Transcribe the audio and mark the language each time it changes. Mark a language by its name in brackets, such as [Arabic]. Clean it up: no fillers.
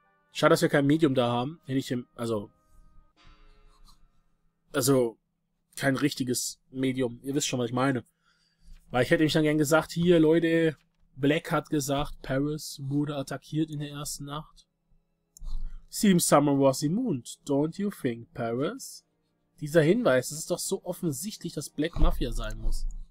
[German] Schade, dass wir kein Medium da haben. Hätte ich im, also kein richtiges Medium. Ihr wisst schon, was ich meine. Weil ich hätte mich dann gern gesagt, hier, Leute, Black hat gesagt, Paris wurde attackiert in der ersten Nacht. [English] Seems someone was immune, don't you think, Paris? [German] Dieser Hinweis, es ist doch so offensichtlich, dass Black Mafia sein muss.